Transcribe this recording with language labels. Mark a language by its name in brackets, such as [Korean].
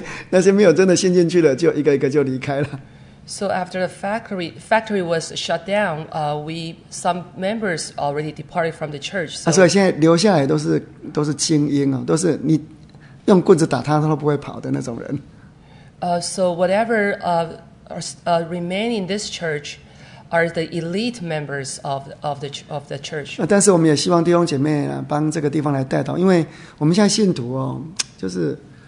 [Chinese] 那些没有真的信进去的，就一个一个就离开了。 [English] So after the factory was shut down, some members already departed from the church. So [Chinese] 所以现在留下来都是精英哦，都是你用棍子打他都不会跑的那种人。 [English] So whatever remain in this church are the elite members of the church. [Chinese] 但是我们也希望弟兄姐妹帮这个地方来带头，因为我们现在信徒哦，就是。